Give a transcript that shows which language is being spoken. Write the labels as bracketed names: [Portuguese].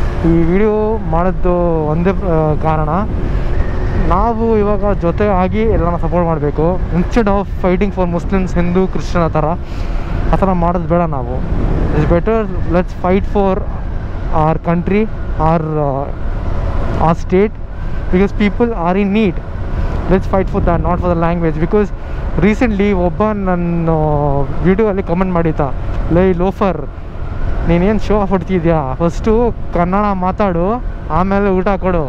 [Kannada] ಈ ವಿಡಿಯೋ ಮಾಡಿದ್ದು ಒಂದೇ ಕಾರಣ, ನಾವು ಇವಾಗ ಜೊತೆ ಆಗಿ ಎಲ್ಲನ ಸಪೋರ್ಟ್ ಮಾಡಬೇಕು, [English] instead of fighting for Muslims Hindu Christian [Kannada] ಆ ಥರ ಮಾಡೋದು ಬೇಡ ನಾವು. [English] It's better let's fight for our country, our our state, because people are in need. Let's fight for that, not for the language. Because recently [Kannada] ಒಬ್ಬನ್ ನನ್ನ ವಿಡಿಯೋಲ್ಲಿ comment ಮಾಡಿದ್ದ, ಲೈ loafer ನೀನೇನು show of ಹೊಡ್ತಿದ್ಯಾ, first Kannada ಮಾತಾಡು ಆಮೇಲೆ ಊಟ ಕೊಡು.